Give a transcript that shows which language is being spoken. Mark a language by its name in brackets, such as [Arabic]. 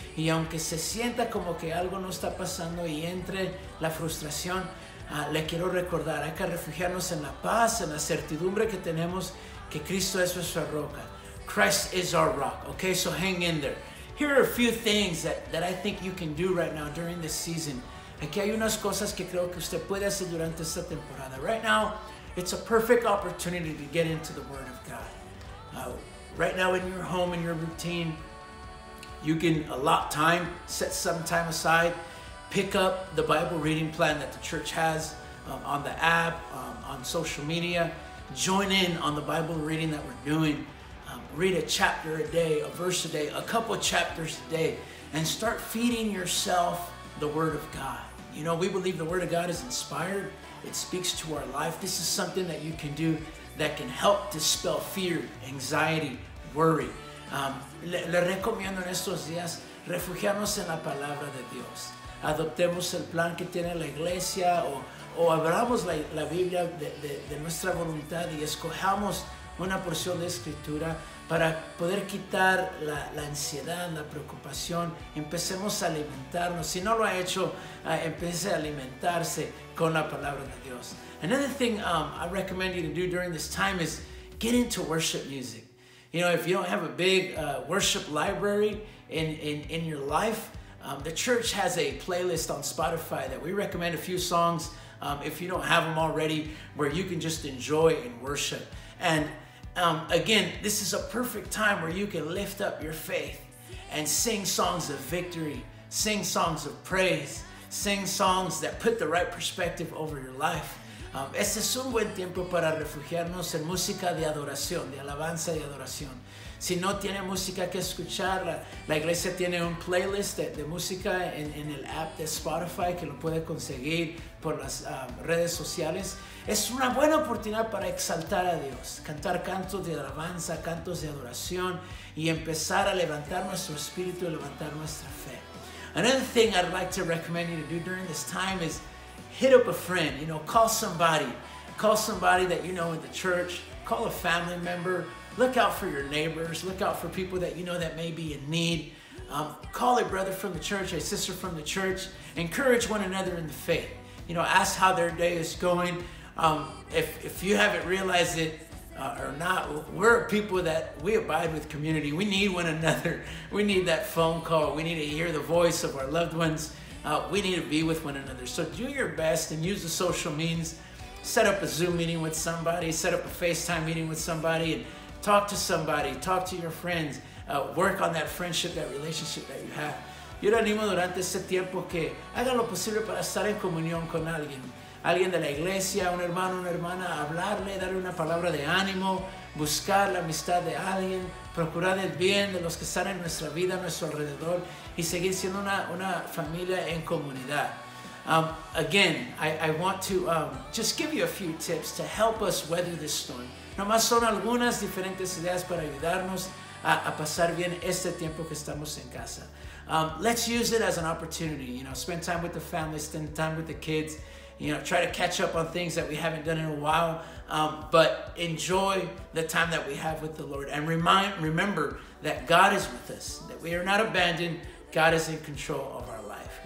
[Spanish] Y aunque se sienta como que algo no está pasando y entre la frustración, le quiero recordar, hay que refugiarnos en la paz, en la certidumbre que tenemos que Cristo es nuestra roca. [English] Christ is our rock. Okay, so hang in there. Here are a few things that I think you can do right now during this season. [Spanish] Aquí hay unas cosas que creo que usted puede hacer durante esta temporada. [English] Right now, it's a perfect opportunity to get into the Word of God. Right now in your home, in your routine, you can allot time, set some time aside, pick up the Bible reading plan that the church has on the app, on social media, join in on the Bible reading that we're doing. Read a chapter a day, a verse a day, a couple chapters a day, and start feeding yourself the Word of God. You know, we believe the Word of God is inspired. It speaks to our life. This is something that you can do that can help dispel fear, anxiety, worry. [Spanish] Le recomiendo en estos días refugiarnos en la Palabra de Dios. Adoptemos el plan que tiene la iglesia o abramos la Biblia de nuestra voluntad y escojamos una porción de Escritura para poder quitar la ansiedad, la preocupación. Empecemos a alimentarnos. Si no lo ha hecho, empiece a alimentarse con la Palabra de Dios. [English] Another thing I recommend you to do during this time is get into worship music. You know, if you don't have a big worship library in your life, the church has a playlist on Spotify that we recommend a few songs, if you don't have them already, where you can just enjoy and worship. And again, this is a perfect time where you can lift up your faith and sing songs of victory, sing songs of praise, sing songs that put the right perspective over your life. [Spanish] Este es un buen tiempo para refugiarnos en música de adoración, de alabanza y adoración. Si no tiene música que escuchar, la iglesia tiene un playlist de música en el app de Spotify que lo puede conseguir por las redes sociales. Es una buena oportunidad para exaltar a Dios, cantar cantos de alabanza, cantos de adoración y empezar a levantar nuestro espíritu y levantar nuestra fe. [English] Another thing I'd like to recommend you to do during this time is hit up a friend, you know, call somebody. Call somebody that you know in the church, call a family member, look out for your neighbors, look out for people that you know that may be in need. Call a brother from the church, a sister from the church, encourage one another in the faith. You know, ask how their day is going. If you haven't realized it or not, we're people that we abide with community. We need one another. We need that phone call. We need to hear the voice of our loved ones. We need to be with one another. So do your best and use the social means. Set up a Zoom meeting with somebody. Set up a FaceTime meeting with somebody. And talk to somebody. Talk to your friends. Work on that friendship, that relationship that you have. [Spanish] Yo le animo durante ese tiempo que haga lo posible para estar en comunión con alguien. Alguien de la iglesia, un hermano, una hermana, hablarle, darle una palabra de ánimo, buscar la amistad de alguien, procurar el bien de los que están en nuestra vida, a nuestro alrededor, y seguir siendo una familia en comunidad. [English] Again, I want to just give you a few tips to help us weather this storm. [Spanish] Nomás son algunas diferentes ideas para ayudarnos a pasar bien este tiempo que estamos en casa. [English] Let's use it as an opportunity, you know, spend time with the family, spend time with the kids, you know, try to catch up on things that we haven't done in a while, but enjoy the time that we have with the Lord and remember that God is with us, that we are not abandoned, God is in control of our life.